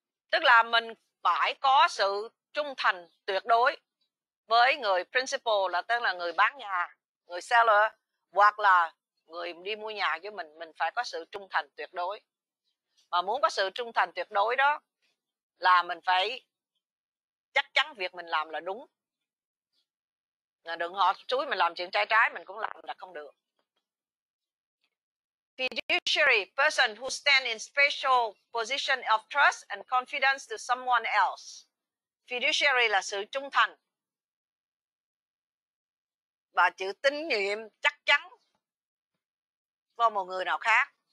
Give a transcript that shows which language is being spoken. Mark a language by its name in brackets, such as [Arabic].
[Vietnamese] Tức là mình phải có sự trung thành tuyệt đối với người principal, là tên là người bán nhà, người seller, hoặc là người đi mua nhà với mình. Mình phải có sự trung thành tuyệt đối. Mà muốn có sự trung thành tuyệt đối đó là mình phải chắc chắn việc mình làm là đúng. Đừng họ chúi mình làm chuyện trái trái, mình cũng làm là không được. [English] Fiduciary, person who stands in special position of trust and confidence to someone else. [Vietnamese] Fiduciary là sự trung thành. Và chữ tín nhiệm chắc chắn cho một người nào khác.